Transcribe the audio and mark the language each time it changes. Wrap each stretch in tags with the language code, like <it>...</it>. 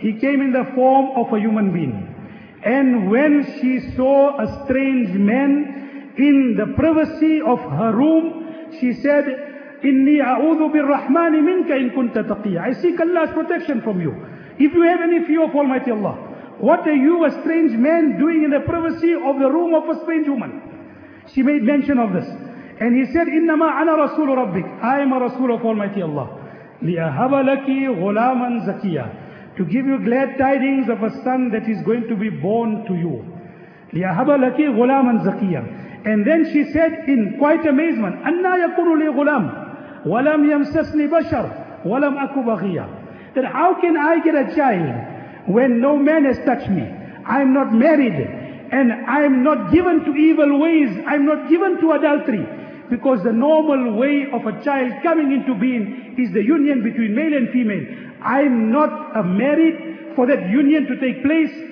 <en>He came in the form of a human being. And when she saw a strange man in the privacy of her room, she said,</en> <ar>إِنِّي أَعُوذُ بِالرَّحْمَنِ مِنْكَ إِن كُنْتَ تَقِيًّا.</ar> <en>I seek Allah's protection from you, if you have any fear of Almighty Allah. What are you, a strange man, doing in the privacy of the room of a strange woman? She made mention of this. And he said,</en> <ar>إِنَّمَا أَنَا رَسُولُ رَبِّكَ.</ar> <en>I am a Rasul of Almighty Allah.</en> <ar>لِأَهَبَ لَكِ غُلَامًا زَكِيًّا.</ar> <en>To give you glad tidings of a son that is going to be born to you.</en> <ar>لِأَهَبَ لَكِ غُلَامًا زَكِيًّا.</ar> <en>And then she said in quite amazement,</en> <ar>أَنَّا يَكُنُ لِي غُلَامًا وَلَمْ يَمْسَسْنِي بَشَرْ وَلَمْ أَكُ بَغِيًّا.</ar> <en>That how can I get a child when no man has touched me? I'm not married and I'm not given to evil ways. I'm not given to adultery. Because the normal way of a child coming into being is the union between male and female. I'm not a married for that union to take place.</en>